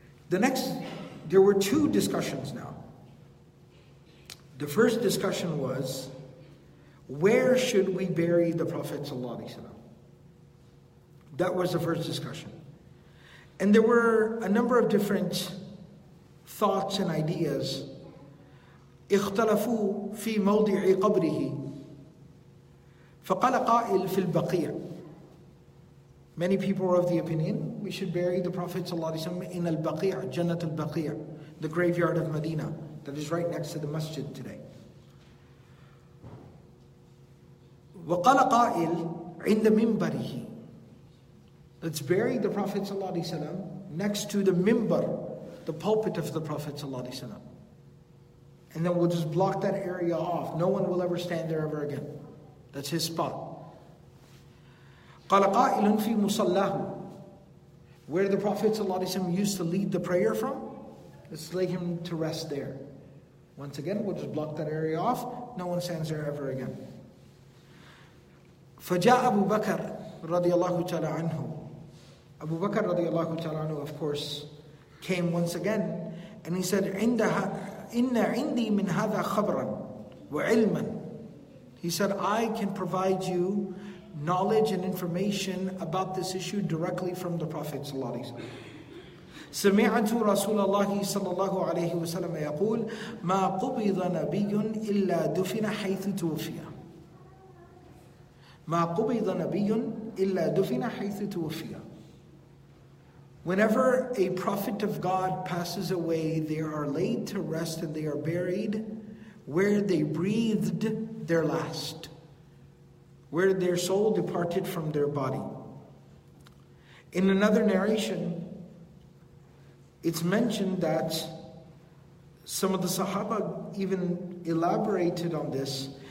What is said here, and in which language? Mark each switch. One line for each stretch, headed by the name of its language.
English: There were two discussions now. The first discussion was, where should we bury the Prophet ﷺ? That was the first discussion. And there were a number of different thoughts and ideas.
Arabic: اختلفوا في موضع قبره فقال قائل في البقيع.
English: Many people were of the opinion, we should bury the Prophet ﷺ in al-baqi', Jannat al-baqi', the graveyard of Medina, that is right next to the masjid today.
Arabic: وقال قائل عند منبره.
English: Let's bury the Prophet ﷺ next to the minbar, the pulpit of the Prophet ﷺ. And then we'll just block that area off. No one will ever stand there ever again. That's his spot.
Arabic: قال قائل في مصلاه.
English: Where the Prophet ﷺ used to lead the prayer from, let's lay him to rest there. Once again, we'll just block that area off. No one stands there ever again.
Arabic: فجاء أبو بكر رضي الله تعالى عنه. أبو بكر رضي الله تعالى عنه,
English: of course, came once again, and he said,
Arabic: إن عندي من هذا خبرا وعلما.
English: He said, I can provide you knowledge and information about this issue directly from the Prophet ﷺ.
Arabic: سمعت رسول الله صلى الله عليه وسلم يقول ما قبض نبي إلا دفن حيث توفي. ما قبض نبي إلا دفن حيث توفي.
English: Whenever a prophet of God passes away, they are laid to rest and they are buried where they breathed their last, where their soul departed from their body. In another narration, it's mentioned that some of the Sahaba even elaborated on this.